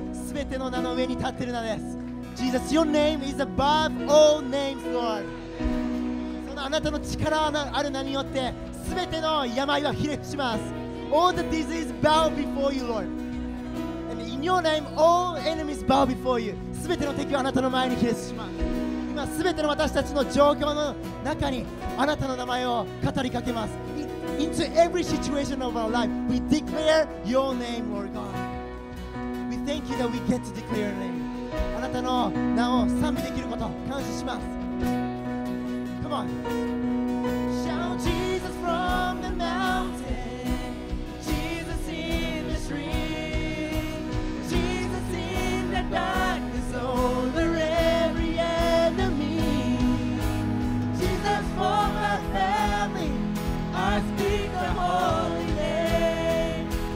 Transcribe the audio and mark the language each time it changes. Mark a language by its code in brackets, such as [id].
[en] Jesus, your name is above all names, Lord. [ja] そのあなたの力ある名によって、すべての病は癒します。 [en] All the diseases bow before you, Lord. And in in your name all enemies bow before you. [ja] 全ての敵をあなたの前に帰すします。今全ての私たちの状況の中にあなたの名前を語りかけます。 [en] Into every situation of our life we declare your name, Lord God. We thank you that we get to declare your name. [ja] あなたの名を賛美できること感謝します。 [en] Come on. Shout Jesus from the mountainDarkness over every enemy. Jesus, for my family, I speak the holy name.